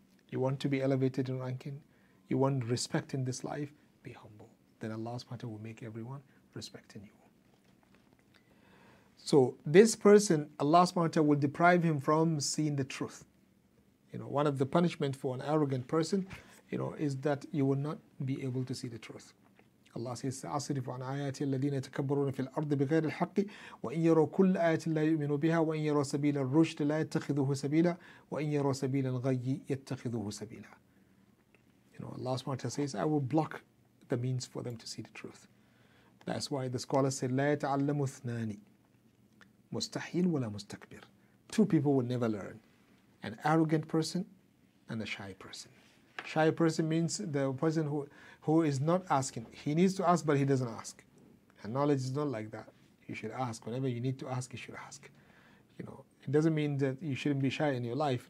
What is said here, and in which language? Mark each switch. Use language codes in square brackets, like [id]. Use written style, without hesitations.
[en] You want to be elevated in ranking? You want respect in this life? Be humble. Then Allah subhanahu wa ta'ala will make everyone respecting you. So this person, Allah subhanahu wa ta'ala will deprive him from seeing the truth. You know, one of the punishments for an arrogant person, you know, is that you will not be able to see the truth. Allah says, [ar] سَأَصْرِفُ عَنْ آيَاتِ الَّذِينَ يَتَكَبَّرُونَ فِي الْأَرْضِ بِغَيْرِ الْحَقِّ وَإِنْ يَرَوْا كُلَّ آيَةٍ لَا يُؤْمِنُوا بِهَا وَإِنْ يَرَوْا سَبِيلَ الرُّشْدِ لَا يَتَّخِذُهُ سَبِيلًا وَإِنْ يَرَوْا سَبِيلَ الْغَيِّ يَتَّخِذُهُ سَبِيلًا. [en] You know, Allah subhanahu wa ta'ala says, I will block the means for them to see the truth. That's why the scholars say, [ar] لَا يَتَعَلَّمُ اثْنَانِ مُسْتَحِيلٌ وَلَا مُسْتَكْبِرٌ. [en] Two people will never learn. An arrogant person and a shy person. Shy person means the person who is not asking. He needs to ask, but he doesn't ask. And knowledge is not like that. You should ask. Whenever you need to ask, you should ask. You know, it doesn't mean that you shouldn't be shy in your life.